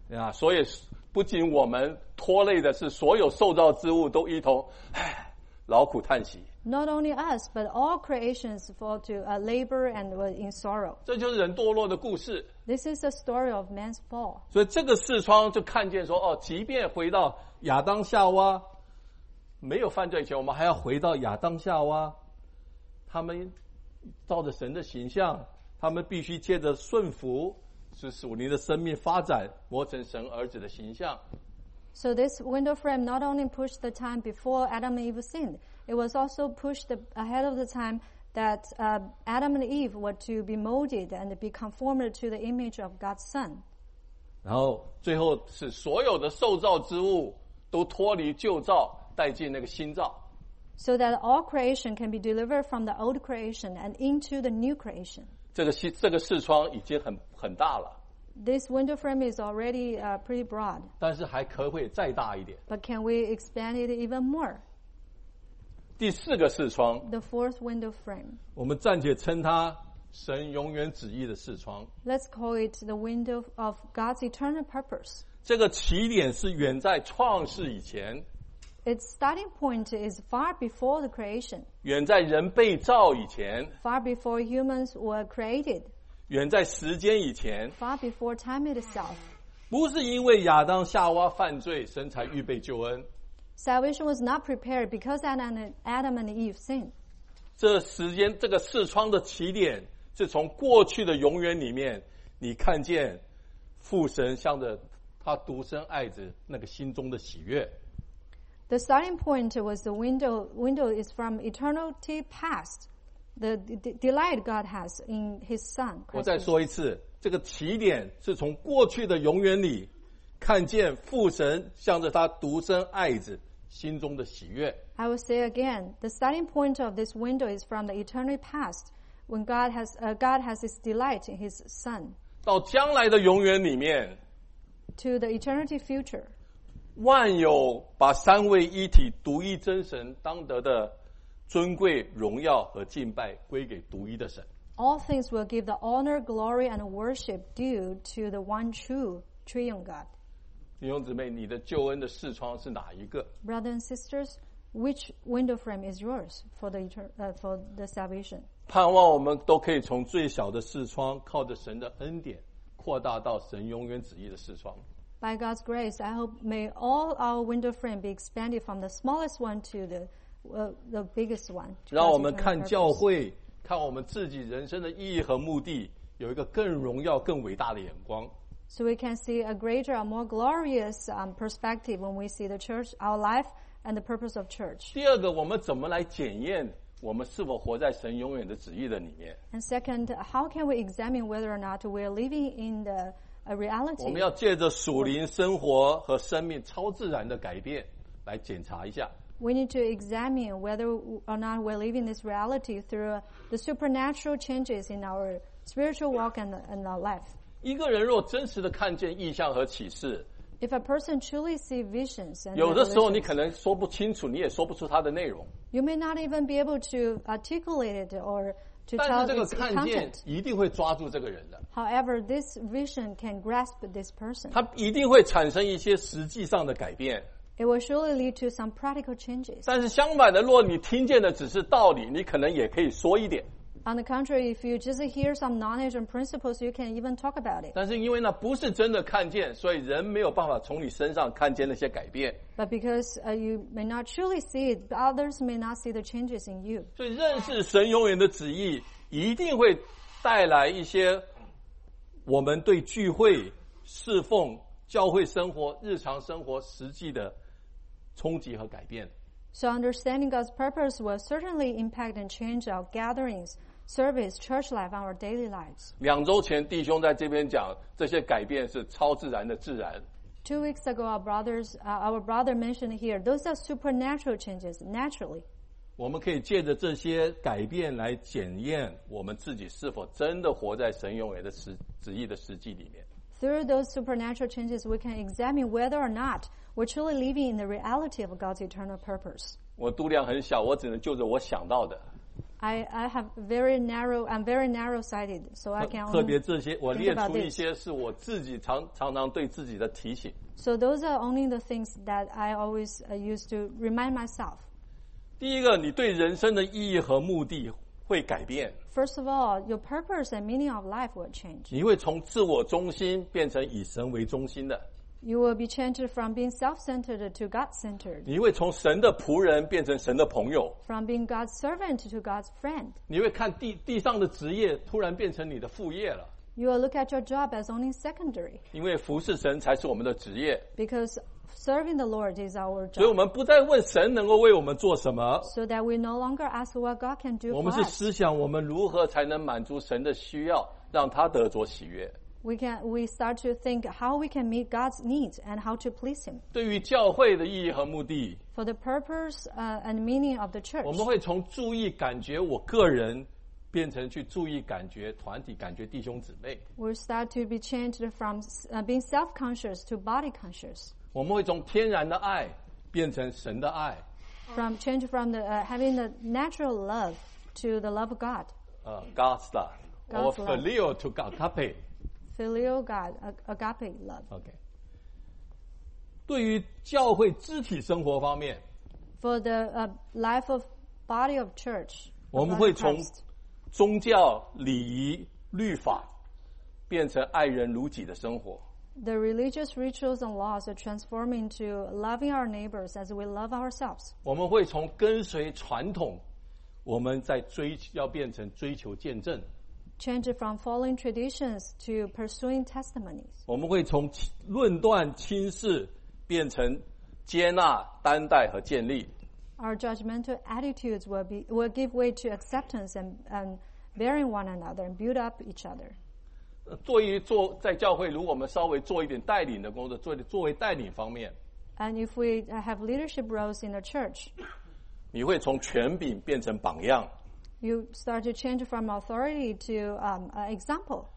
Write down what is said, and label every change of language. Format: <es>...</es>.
<zh>啊，所以不仅我们拖累的是所有受造之物都一同劳苦叹息。</zh> <en>Not only us, but all creations fall to labor and in sorrow.</en> <zh>这就是人堕落的故事。</zh> <en>This is the story of man's fall.</en> <zh>所以这个视窗就看见说，哦，即便回到亚当夏娃没有犯罪前，我们还要回到亚当夏娃他们照着神的形象，他们必须借着顺服使属灵的生命发展，磨成神儿子的形象。</zh> <en>So this window frame not only pushed the time before Adam and Eve sinned, it was also pushed ahead of the time that Adam and Eve were to be molded and be conformed to the image of God's Son.</en> <zh>然后最后是所有的受造之物都脱离旧造，带进那个新造。</zh> <en>So that all creation can be delivered from the old creation and into the new creation.</en> <zh>这个视窗已经很大了。</zh> <en>This window frame is already pretty broad.</en> <zh>但是还可会再大一点。</zh> <en>But can we expand it even more?</en> <zh>第四个视窗。</zh> <en>The fourth window frame.</en> <zh>我们暂且称它神永远旨意的视窗。</zh> <en>Let's call it the window of God's eternal purpose.</en> <zh>这个起点是远在创世以前。</zh> <en>Its starting point is far before the creation.</en> <zh>远在人被造以前。</zh> <en>Far before humans were created.</en> <zh>远在时间以前。</zh> <en>Far before time itself.</en> <zh>不是因为亚当夏娃犯罪，神才预备救恩。</zh> <en>Salvation was not prepared because Adam and Eve sinned.</en> <zh>这时间，这个视窗的起点，是从过去的永远里面，你看见父神向着他独生爱子那个心中的喜悦。</zh> <en>The starting point was the window is from eternity past, the delight God has in His Son.、Christ.</en> <zh>我再说一次，这个起点是从过去的永远里看见父神向着他独生爱子心中的喜悦。</zh> <en>I will say again, the starting point of this window is from the eternity past, when God has this delight in His Son.</en> <zh>到将来的永远里面</zh> <en>，to the eternity future.</en> <zh>万有把三位一体独一真神当得的尊贵荣耀和敬拜归给独一的神。</zh> <en>All things will give the honor, glory, and worship due to the one true, triune God.</en> <zh>弟兄姊妹，你的救恩的视窗是哪一个</zh> <en>？Brothers and sisters, which window frame is yours for the salvation?</en> <zh>盼望我们都可以从最小的视窗，靠着神的恩典，扩大到神永远旨意的视窗。</zh> <en>By God's grace, I hope may all our window frame be expanded from the smallest one to the biggest one.</en> <zh>让我们看教会，看我们自己人生的意义和目的，有一个更荣耀、更伟大的眼光。</zh> <en>So we can see a greater, a more glorious perspective when we see the church, our life, and the purpose of church.</en> <zh>第二个，我们怎么来检验我们是否活在神永远的旨意的里面</zh> <en>？And second, how can we examine whether or not we are living in the A reality.</en> <zh>我们要借着属灵生活和生命超自然的改变来检查一下。</zh> <en>We need to examine whether or not we're living this reality through the supernatural changes in our spiritual walk and our life.</en> <zh>一个人若真实的看见异象和启示，</zh> <en>If a person truly sees visions, and</en> <zh>有的时候你可能说不清楚，你也说不出它的内容。</zh> <en>You may not even be able to articulate it or to tell its content.</en> <zh>但是这个看见一定会抓住这个人的。</zh> <en>However, this vision can grasp this person.</en> <zh>它一定会产生一些实际上的改变。</zh> <en>It will surely lead to some practical changes.</en> <zh>但是相反的，若你听见的只是道理，你可能也可以说一点。</zh> <en>On the contrary, if you just hear some knowledge and principles, you can even talk about it.</en> <zh>但是因为那不是真的看见，所以人没有办法从你身上看见那些改变。</zh> <en>But because you may not truly see it, others may not see the changes in you.</en> <zh>所以认识神永远的旨意，一定会带来一些我们对聚会、侍奉、教会生活、日常生活实际的冲击和改变。</zh> <en>So understanding God's purpose will certainly impact and change our gatherings, service, church life, our daily lives.</en> <zh>两周前弟兄在这边讲这些改变是超自然的自然。</zh> <en>2 weeks ago, our brother mentioned here, those are supernatural changes, naturally.</en> <zh>我们可以借着这些改变来检验我们自己是否真的活在神永远的旨意的实际里面。</zh> <en>Through those supernatural changes, we can examine whether or not we're truly living in the reality of God's eternal purpose.</en> <zh>我度量很小，我只能就着我想到的。</zh> <en>I have very narrow, I'm very narrow-sighted, so I can only think about this.</en> <zh>特别这些，我列出一些是我自己常常对自己的提醒。</zh> <en>So those are only the things that I always use to remind myself.</en> <zh>第一个，你对人生的意义和目的会改变。</zh> <en>First of all, your purpose and meaning of life will change.</en> <zh>你会从自我中心变成以神为中心的。</zh> <en>You will be changed from being self-centered to God-centered.</en> <zh>你会从神的仆人变成神的朋友。</zh> <en>From being God's servant to God's friend.</en> <zh>你会看地上的职业突然变成你的副业了。</zh> <en>You will look at your job as only secondary.</en> <zh>因为服侍神才是我们的职业。</zh> <en>Because serving the Lord is our job.</en> <zh>所以我们不再问神能够为我们做什么。</zh> <en>So that we no longer ask what God can do for us.</en> <zh>我们是思想我们如何才能满足神的需要，让他得着喜悦。</zh> <en>We start to think how we can meet God's needs and how to please Him.</en> <zh>对于教会的意义和目的。</zh> <en>For the purpose and meaning of the church.</en> <zh>我们会从注意感觉我个人，变成去注意感觉团体、感觉弟兄姊妹。</zh> <en>We start to be changed from being self-conscious to body conscious.</en> <zh>我们会从天然的爱变成神的爱。</zh> <en>From change from the having the natural love to the love of God. God's love. God's or filial to agape. Filial God, agape love.</en> <zh>Okay. 对于教会肢体生活方面</zh> <en>，For the life of body of church,</en> <zh>我们会从宗教礼仪律法变成爱人如己的生活。</zh> <en>The religious rituals and laws are transforming to loving our neighbors as we love ourselves.</en> <zh>我们会从跟随传统，我们在追要变成追求见证。</zh> <en>Change from following traditions to pursuing testimonies.</en> <zh>我们会从论断轻视变成接纳担待和建立。</zh> <en>Our judgmental attitudes will give way to acceptance and bearing one another and build up each other.</en> <zh>做在教会，如果我们稍微做一点带领的工作，作为带领方面。</zh> <en>And if we have leadership roles in the church,</en> <zh>你会从权柄变成榜样。</zh> <en>You start to change from authority to example.</en>